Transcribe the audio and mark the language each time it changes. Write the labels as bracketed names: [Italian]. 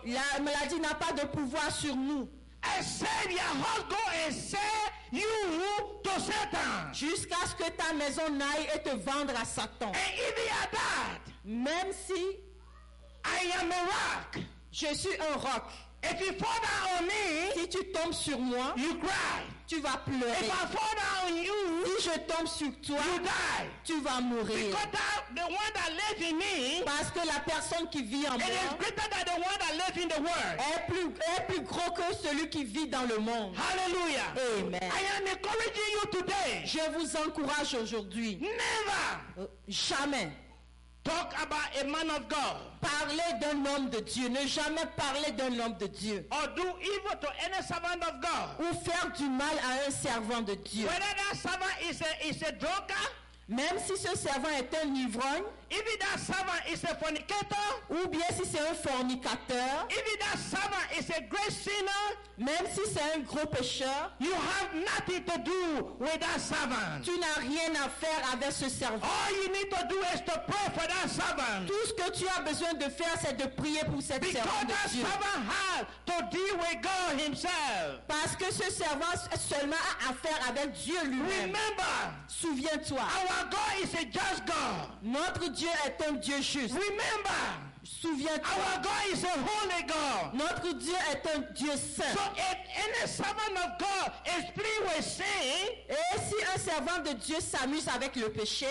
[French] La maladie n'a pas de pouvoir sur nous. [English] I said your house go and sell you to Satan. [French] Jusqu'à ce que ta maison n'aille et te vendre à Satan. [English] And even at that, [French] même si [English] I am a rock, [French] je suis un roc. [English] If you fall down on me, [French] si tu tombes sur moi, [English] you cry. [French] Tu vas pleurer. [English] If I fall down on you, [French] si je tombe sur toi, [English] you die. [French] Tu vas mourir. [English] Because the one that lives in me, [French] parce que la personne qui vit en [English] it [French] moi, [English] is greater than the one that lives in the world. [French] Est plus gros que celui qui vit dans le monde. [English] Hallelujah. Amen. I am encouraging you today. [French] Je vous encourage aujourd'hui. [English] Never. [French] Jamais. [English] Talk about a man of God. [French] Parlez d'un homme de Dieu. Ne jamais parler d'un homme de Dieu. [English] Or do evil to any servant of God. [French] Ou faire du mal à un servant de Dieu. [English] Whether that servant is a drunkard. [French] Même si ce servant est un ivrogne. [English] If that servant is a fornicator. [French] Ou bien si c'est un fornicateur. [English] If that servant is a great sinner. [French] Même si c'est un gros pécheur. [English] You have nothing to do with that servant. [French] Tu n'as rien à faire avec ce servant. [English] All you need to do is to pray for that servant. [French] Tout ce que tu as besoin de faire, c'est de prier pour cet [English] Because [French] servant de Dieu. [English] Because that servant has to deal with God himself. [French] Parce que ce servant seulement a affaire avec Dieu lui-même. [English] Remember. [French] Souviens-toi. [English] Our God is a just God. [French] Notre Dieu est un Dieu juste. [English] Remember. [French] Souviens-toi. [English] Our God is a holy God. [French] Notre Dieu est un Dieu saint. [English] So if any servant of God is pleased with sin, [French] et si un servant de Dieu s'amuse avec le péché,